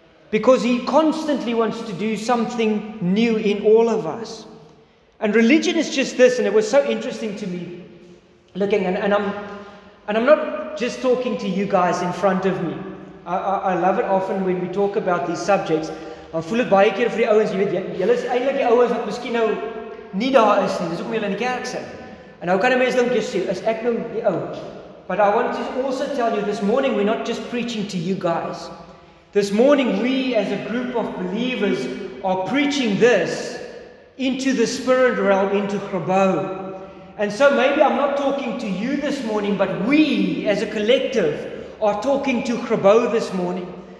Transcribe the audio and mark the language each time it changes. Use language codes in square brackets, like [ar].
[en] Because he constantly wants to do something new in all of us. And religion is just this, and it was so interesting to me looking, and I'm not just talking to you guys in front of me. I love it often when we talk about these subjects. I'm full of [af] baie keer vir die ouens, jy weet, julle is eintlik die ouens wat miskien nou nie daar is nie. Dis hoekom julle in die kerk sit. En nou kan 'n mens dink jy sê, is ek nou die ou? [en] But I want to also tell you this morning, we're not just preaching to you guys. This morning, we as a group of believers are preaching this into the spirit realm, into Grabouw. And so maybe I'm not talking to you this morning, but we as a collective are talking to Grabouw this morning.